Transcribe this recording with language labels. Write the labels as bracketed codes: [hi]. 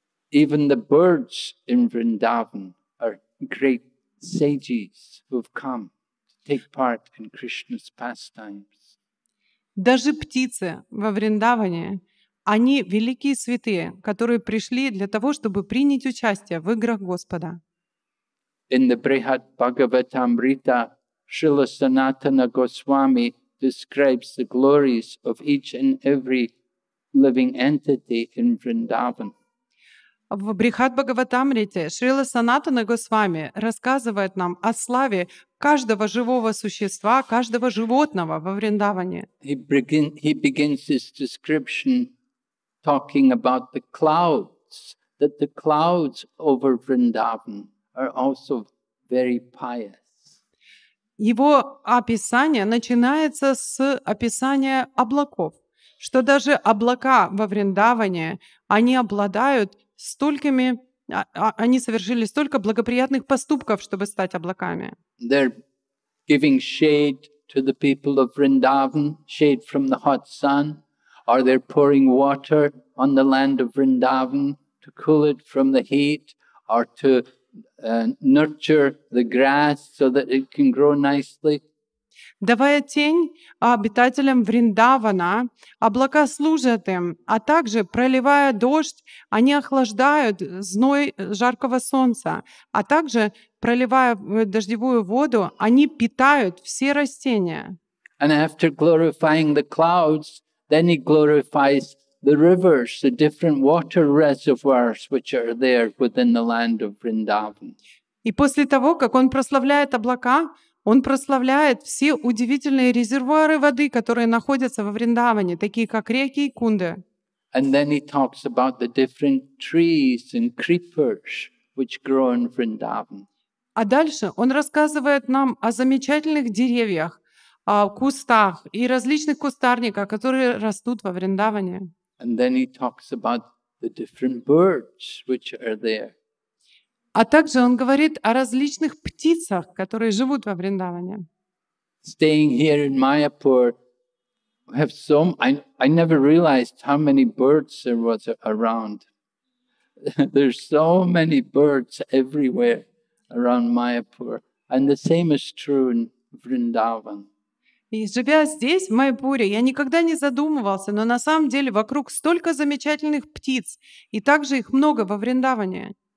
[en] Even the birds in Vrindavan are great sages who've come to take part in Krishna's pastimes. [ru] Даже птицы во Вриндаване — они великие святые, которые пришли для того, чтобы принять участие в играх Господа. [en] In the Brihat Bhagavatamrita, Srila Sanatana Goswami describes the glories of each and every living entity in Vrindavan. [ru] В Брихат Бхагаватамрите Шрила Санатана Госвами рассказывает нам о славе каждого живого существа, каждого животного во Вриндаване. [en] He begins his description talking about the clouds, that the clouds over Vrindavan are also very pious. [ru] Его описание начинается с описания облаков, что даже облака во Вриндаване, они обладают столькими, они совершили столько благоприятных поступков, чтобы стать облаками. [en] They're giving shade to the people of Vrindavan, shade from the hot sun. Are they pouring water on the land of Vrindavan to cool it from the heat or to nurture the grass so that it can grow nicely? [ru] Давая тень обитателям Вриндавана, облака служат им, а также, проливая дождь, они охлаждают зной жаркого солнца, а также, проливая дождевую воду, они питают все растения. [en] And after glorifying the clouds, then he glorifies the rivers, the different water reservoirs which are there within the land of Vrindavan. [ru] И после того, как он прославляет облака, он прославляет все удивительные резервуары воды, которые находятся во Вриндаване, такие как реки и Кунды. [en] And then he talks about the different trees and creepers which grow in Vrindavan. [ru] А дальше он рассказывает нам о замечательных деревьях, кустах и различных кустарниках, которые растут во Вриндаване. [en] And then he talks about the different birds which are there. [ru] А также он говорит о различных птицах, которые живут во Вриндаване. [en] Staying here in Mayapur, we have so I never realized how many birds there was around. There's so many birds everywhere around Mayapur, and the same is true in Vrindavan. [ru] И живя здесь, в Майпуре, я никогда не задумывался, но на самом деле вокруг столько замечательных птиц, и также их много во Вриндаване.